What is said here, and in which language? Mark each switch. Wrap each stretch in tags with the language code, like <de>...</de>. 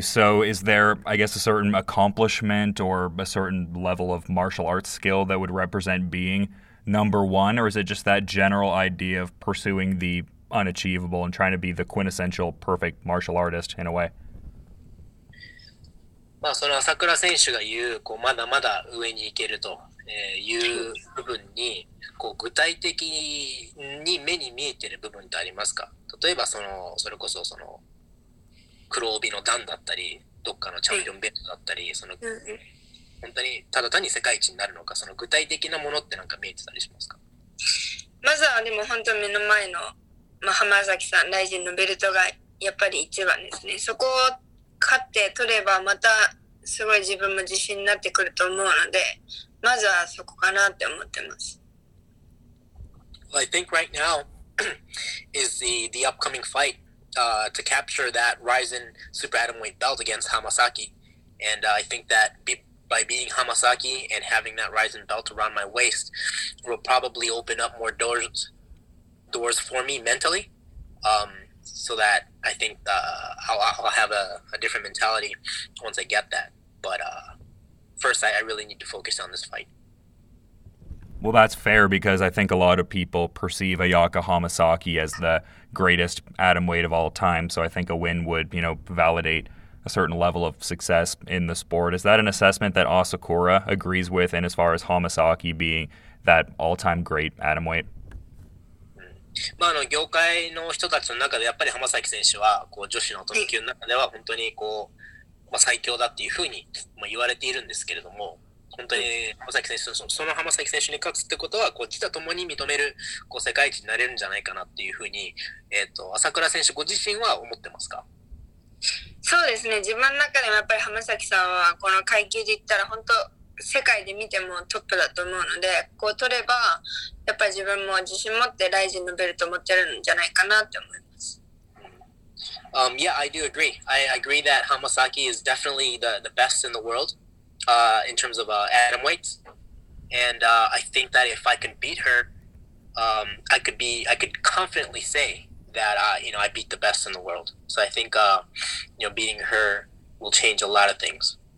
<en>So is there, I guess, a certain accomplishment or a certain level of martial arts skill that would represent being... number one, or is it just that general idea of pursuing the unachievable and trying to be the quintessential perfect martial artist in a way?</en> <ja>まあその朝倉選手が言う、こうまだまだ上に行けるという部分に、こう具体的に目に見えてる部分ってありますか？例えばそれこそその黒帯の段だったり、どっかのチャンピオンベルトだったり、その本当にただ単に世界一になるのか、その具体的なものってなんか見えてたりしますか？まずはでも本当目の前の、まあ、浜崎さん、ライジンのベルトがやっぱり一番ですね。そこを勝って取ればまたすごい自分も自信になってくると思うので、まずはそこかなって思ってます。</ja> <en>Well, I think right now is the upcoming fight、to capture that Ryzen Super Atomweight belt against Hamasaki. And、I think that by beating Hamasaki and having that Ryzen belt around my waist will probably open up more doors for me mentally.、so that I think、I'll have a different mentality once I get that. But、first, I really need to focus on this fight. Well, that's fair because I think a lot of people perceive Ayaka Hamasaki as the greatest atomweight of all time. So I think a win would, you know, validate a certain level of success in the sport. Is that an assessment that Asakura agrees with in as far as Hamasaki being that all-time great atomweight?</en> <ja>まあ、あの業界の人たちの中でやっぱり浜崎選手はこう女子のトップ級の中では本当にこう、まあ、最強だっていうふうに言われているんですけれども、本当に浜崎選手のその浜崎選手に勝つってことはこう自他ともに認めるこう世界一になれるんじゃないかなっていうふうに、朝倉選手ご自身は思ってますか？そうですね、自分の中でもやっぱり浜崎さんはこの階級で言ったら本当世界で見てもトップだと思うので、こう取ればやっぱり自分も自信持ってライジンのベルト持ってるんじゃないかなって思います。</ja> <en>Yeah, I do agree. I agree that Hamasaki is definitely the best in the world、in terms of、atom weights. And、I think that if I can beat her、I could confidently say that、you know, I beat the best in the world. So I think、you know, beating her will change a lot of things.</en>